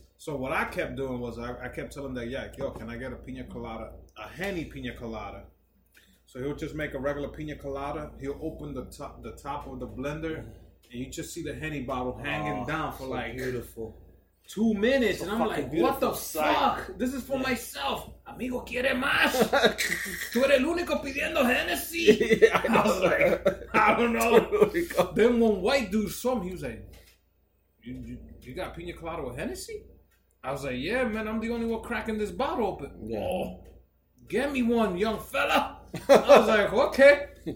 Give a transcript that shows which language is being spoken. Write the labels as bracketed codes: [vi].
[en] So what I kept doing was I kept telling that, yeah, yo, can I get a Pina Colada, a Henny Pina Colada? So he'll just make a regular Pina Colada. He'll open the top of the blender, and you just see the Henny bottle hanging down for so like beautiful 2 minutes. And I'm like, what the fuck? This is for myself. [es] Amigo, quiere más? Tú eres el único pidiendo Hennessy. [en] Yeah, I was like, I don't know. Then one white dude saw me. He was like, you got Pina Colada with Hennessy? I was like, yeah, man. I'm the only one cracking this bottle open. Yeah. Oh, get me one, young fella. I was like, okay.